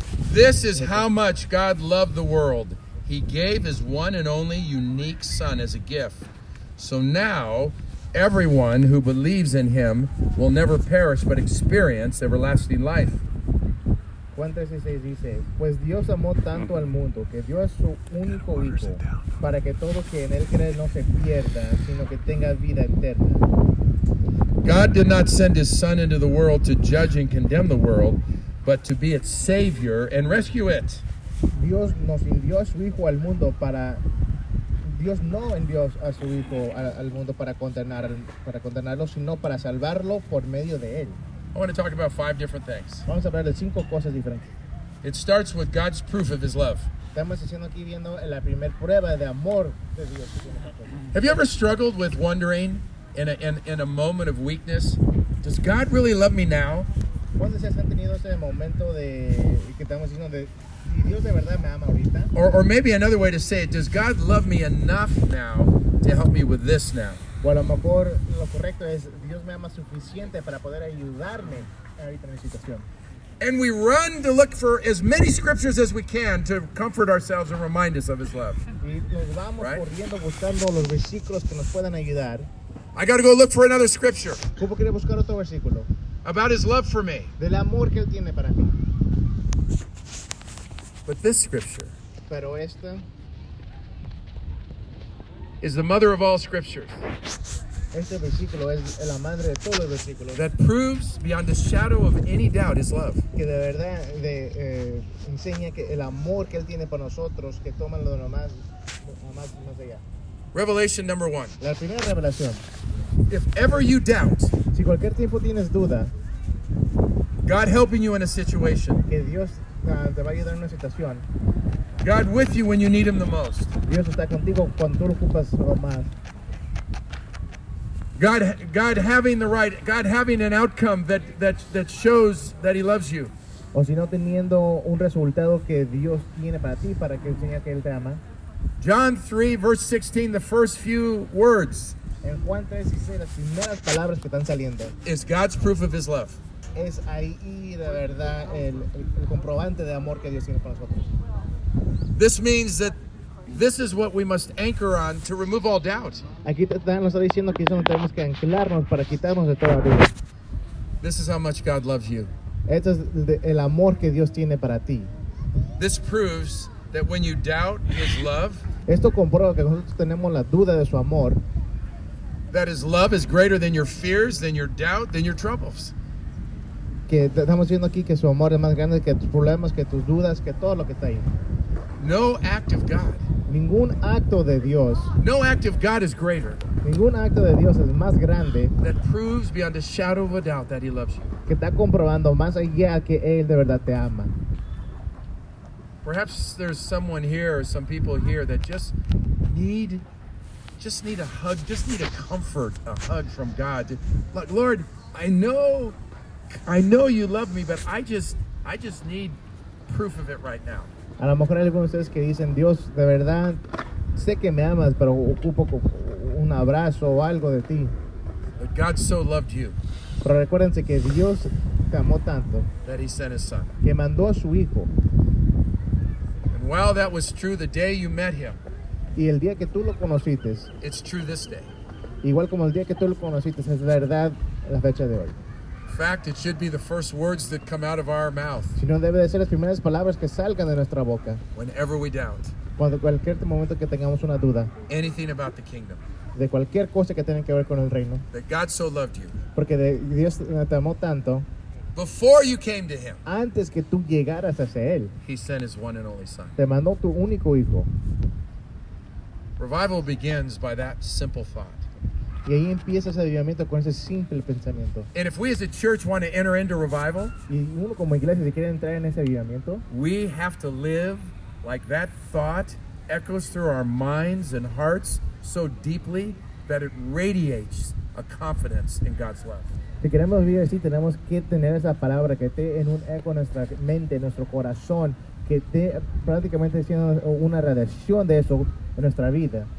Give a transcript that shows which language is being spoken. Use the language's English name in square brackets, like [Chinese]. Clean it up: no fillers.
[English] This is how much God loved the world. He gave his one and only unique son as a gift. So now, everyone who believes in him will never perish but experience everlasting life. [Spanish] Juan 3:16 dice, pues Dios amó tanto al mundo que dio a su único hijo para que todo que en él cree no se pierda, sino que tenga vida eterna. [English] God did not send his son into the world to judge and condemn the world, but to be its savior and rescue it. [Spanish] Dios nos envió a su hijo al mundo para Dios no envió a su hijo al mundo para condenarlo, sino para salvarlo por medio de él. [English] I want to talk about five different things. [Spanish] Vamos a hablar de cinco cosas diferentes. [English] It starts with God's proof of his love. [Spanish] Estamos haciendo aquí viendo la primera prueba de amor de Dios. [English] Have you ever struggled with wondering in a moment of weakness, does God really love me now? [Spanish] ¿Cuándo se han tenido ese momento de que estamos diciendo de si Dios de verdad me ama ahorita? [English] Or maybe another way to say it, does God love me enough now to help me with this now? [Spanish] O a lo mejor lo correcto es Dios me ama suficiente para poder ayudarme ahorita en mi situación. [English] And we run to look for as many scriptures as we can to comfort ourselves and remind us of his love. [Spanish] Y nos vamos right? Corriendo buscando los versículos que nos puedan ayudar. [English] I got to go look for another scripture. [Spanish] ¿Cómo quiere buscar otro versículo? [English] About his love for me. [Spanish] Del amor que él tiene para mí. [English] But this scripture. [Spanish] Pero esta. [English] Is the mother of all scriptures. [Spanish] Este versículo es la madre de todos los versículos. [English] That proves beyond a shadow of any doubt his love. [Spanish] Que de verdad enseña que el amor que él tiene por nosotros, que toma lo más allá. [English] Revelation number one. [Spanish] La primera revelación. [English] If ever you doubt, [Spanish] si cualquier tiempo tienes duda, [English] God helping you in a situation. [Spanish] Que Dios te va a ayudar en una situación. [English] God with you when you need him the most. [Spanish] Dios está contigo cuando tú lo ocupas más. [English] God having the right, God having an outcome that shows that he loves you. [Spanish] O si no teniendo un resultado que Dios tiene para ti para que enseñe que él te ama. [English] John 3 verse 16, the first few words. [Spanish] En Juan 3:16 las primeras palabras que están saliendo. [English] Is God's proof of his love. [Spanish] Es ahí de verdad el comprobante de amor que Dios tiene para nosotros. [English] This means that this is what we must anchor on to remove all doubt. [Spanish] Aquí Dan nos está diciendo que eso no tenemos que anclarnos para quitarnos de toda duda. [English] This is how much God loves you. [Spanish] Esto es el amor que Dios tiene para ti. [English] This proves that when you doubt his love, [Spanish] esto comprueba que nosotros tenemos la duda de su amor. [English] That his love is greater than your fears, than your doubt, than your troubles. [Spanish] Que estamos viendo aquí que su amor es más grande que tus problemas, que tus dudas, que todo lo que está ahí. [English] No act of God. [Spanish] Ningún acto de Dios. [English] No act of God is greater. [Spanish] Ningún acto de Dios es más grande. [English] That proves beyond a shadow of a doubt that he loves you. [Spanish] Que está comprobando más allá que él de verdad te ama. [English] Perhaps there's someone here or some people here that just need a hug, just need a comfort, a hug from God. Like, Lord, I know you love me, but I just need proof of it right now. [Spanish] A lo mejor hay algunos de ustedes que dicen, Dios, de verdad, sé que me amas, pero ocupo un abrazo o algo de ti. [English] But God so loved you. [Spanish] Pero recuérdense que Dios te amó tanto [English] that he sent his son. [Spanish] Que mandó a su hijo. [English] And Wow, that was true the day you met him. [Spanish] Y el día que tú lo conociste. [English] It's true this day. [Spanish] Igual como el día que tú lo conociste, es verdad la fecha de hoy. [English] In fact, it should be the first words that come out of our mouth. [Spanish] Si no, debe de ser las primeras palabras que salgan de nuestra boca. [English] Whenever we doubt. [Spanish] Cuando cualquier momento que tengamos una duda. [English] Anything about the kingdom. [Spanish] De cualquier cosa que tenga que ver con el reino. [English] That God so loved you. [Spanish] Porque Dios te amó tanto. [English] Before you came to him. [Spanish] Antes que tú llegaras hacia él. [English] He sent his one and only son. [Spanish] Te mandó tu único hijo. [English] Revival begins by that simple thought. [Spanish] Y ahí empieza ese avivamiento con ese simple pensamiento. [English] And if we as a church want to enter into revival, [Spanish] y uno como iglesia si quiere entrar en ese avivamiento, [English] we have to live like that thought echoes through our minds and hearts so deeply that it radiates a confidence in God's love. [Spanish] Si queremos vivir así, tenemos que tener esa palabra que esté en un eco en nuestra mente, en nuestro corazón, que esté prácticamente siendo una radiación de eso en nuestra vida.